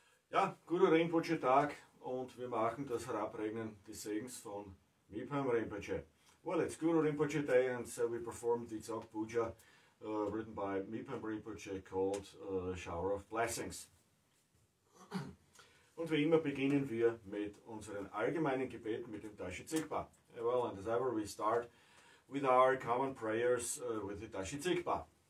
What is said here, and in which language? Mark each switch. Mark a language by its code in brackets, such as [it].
[de] Ja, guter Rinpoche Tag und wir machen das Herabregnen des Segens von Mipham Rinpoche. [en] Well, it's Guru Rinpoche Day and so we performed the Tsog Puja written by Mipham Rinpoche called Shower of Blessings. [de] Und wie immer beginnen wir mit unseren allgemeinen Gebeten, mit dem Dashi Tsigpa. [en] Well, and as ever, we start with our common prayers with the Dashi Tsigpa.